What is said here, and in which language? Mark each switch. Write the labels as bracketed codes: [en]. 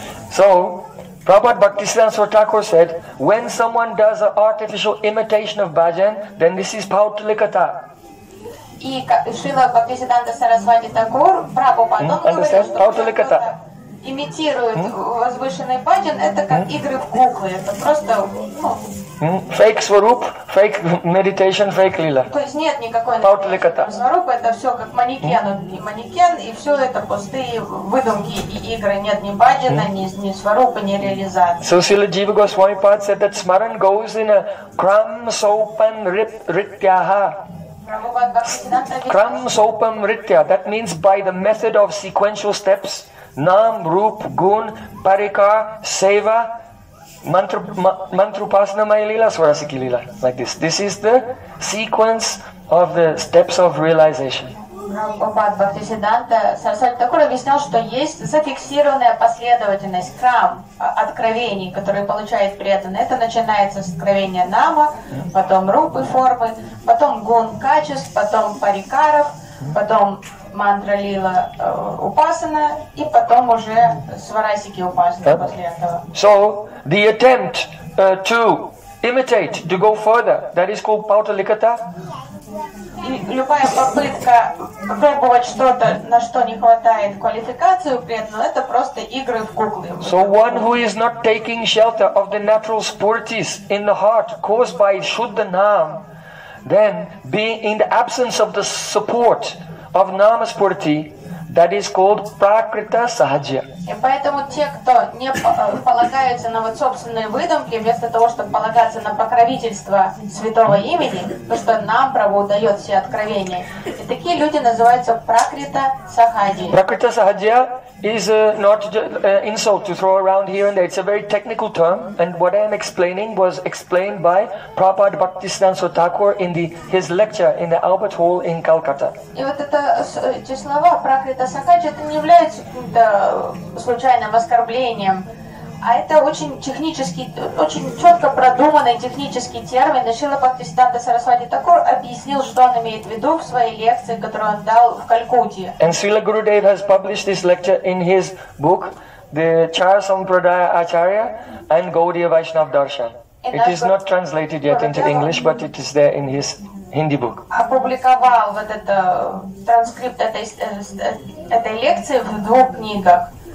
[en] So Prabhupada Bhaktisiddhanta Saraswati Thakur said, when someone does an artificial imitation of bhajan, then this is putalikata. [ru] И Шрила Бхактисиддханта Сарасвати Такур, Прабхупада, он говорит, что имитирует возвышенный баджан, это как игры в куклы, это просто, [en] Fake сваруп, fake meditation, fake лила. [ru] То есть нет никакой сварупы, это все как манекен, и манекен, и все это пустые выдумки и игры, нет ни баджана, ни сварупы, ни реализации. [en] So Srila Jiva Goswami Pad said that smaran goes in a crumb, soap and rityaha. [sa] Kram sopam ritya, [en] that means by the method of sequential steps, nam, rup, gun, parikar, seva, mantrupasana maya lila, swarasiki lila, like this. This is the sequence of the steps of realization. [ru] Прабхупад Бхактисиддханта Сарасвати Такур объяснял, что есть зафиксированная последовательность крам откровений, которые получает преданный. Это начинается с откровения нама, потом рупы формы, потом гун качеств, потом парикаров, потом мантра лила упасана, и потом уже сварасики упасана после этого. [en] So the attempt to imitate, to go further, that is called пауталиката. [ru] любая попытка пробовать что-то, на что не хватает квалификации у преданного, это просто игры в куклы. [en] So one who is not taking shelter of the natural spurtis in the heart caused by Shuddha Nam, then being in the absence of the support of Nama Spurti, that is called Prakrita Sahajya. [ru] И поэтому те, кто не полагаются на вот собственные выдумки, вместо того, чтобы полагаться на покровительство святого имени, то что нам Прабху дает все откровения, и такие люди называются Пракрита Сахаджи. [en] Пракрита Сахаджи is not an insult to throw around here and there. It's a very technical term, and what I am explaining was explained by Prabhupada Bhaktisiddhanta Thakur in the his lecture in the Albert Hall in Calcutta. [ru] И вот это эти слова Пракрита Сахаджи, это не является каким-то случайным оскорблением, а это очень технический, очень четко продуманный технический термин. Шрила Бхактисиддханта Сарасвати Такур объяснил, что он имеет в виду в своей лекции, которую он дал в Калькутте. [en] And Srila Gurudev has published this lecture in his book, the Chara Sampradaya Acharya and Gaudiya Vaishnav Darshan. It is not translated yet into English, but it is there in his Hindi book. [ru] Опубликовал вот это транскрипт этой лекции в двух книгах.